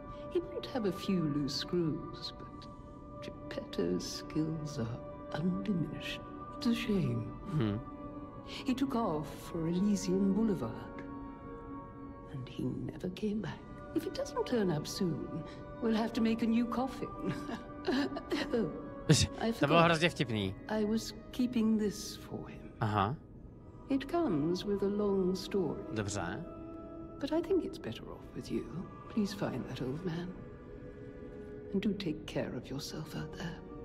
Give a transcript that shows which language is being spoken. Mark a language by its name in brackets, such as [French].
[English] He might have a few loose screws, but Geppetto's skills are undiminished. It's a shame. He took off for Elysian Boulevard, and he never came back. If it doesn't turn up soon, we'll have to make a new coffin. [Czech] Oh, to bylo hrozně vtipný. [English] I was keeping this for him. Aha. It comes with a long story. [Czech] Dobře. [English] But I think it's better off with you. Please find that old man. And do take care of yourself out there.